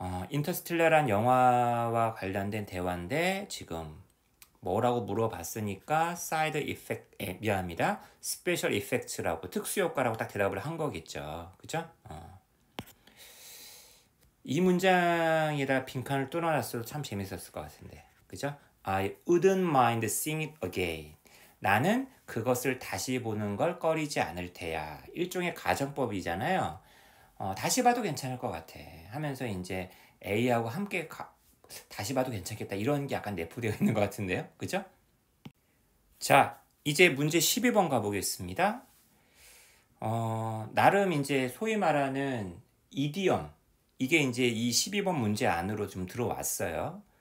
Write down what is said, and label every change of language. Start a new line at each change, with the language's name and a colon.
Korean: 인터스텔라란 영화와 관련된 대화인데 지금 뭐라고 물어봤으니까 사이드 이펙트, 미안합니다. 스페셜 이펙트라고 특수효과라고 딱 대답을 한 거겠죠. 그죠? 이 문장에다 빈칸을 뚫어놨어도 참 재밌었을 것 같은데. 그죠?
English: I wouldn't mind seeing it again.
Korean: 나는 그것을 다시 보는 걸 꺼리지 않을 테야. 일종의 가정법이잖아요. 다시 봐도 괜찮을 것 같아 하면서 이제 A하고 함께 다시 봐도 괜찮겠다 이런 게 약간 내포되어 있는 것 같은데요. 그죠? 자, 이제 문제 12번 가보겠습니다. 나름 이제 소위 말하는 이디엄, 이게 이제 이 12번 문제 안으로 좀 들어왔어요.